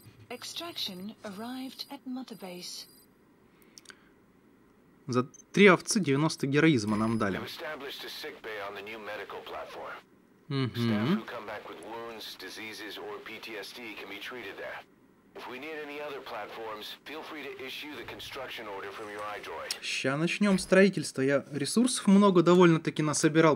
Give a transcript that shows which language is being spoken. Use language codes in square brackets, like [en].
[en] Extraction arrived at Mother Base. [ru] За три овцы 90 героизма нам дали. [en] Established a sick bay on the new medical platform. Staff who come back with wounds, diseases or PTSD can be treated there. If we need any other platforms, feel free to issue the construction order from your iDroid. [ru] Сейчас начнем строительство. Я ресурсов много довольно-таки насобирал.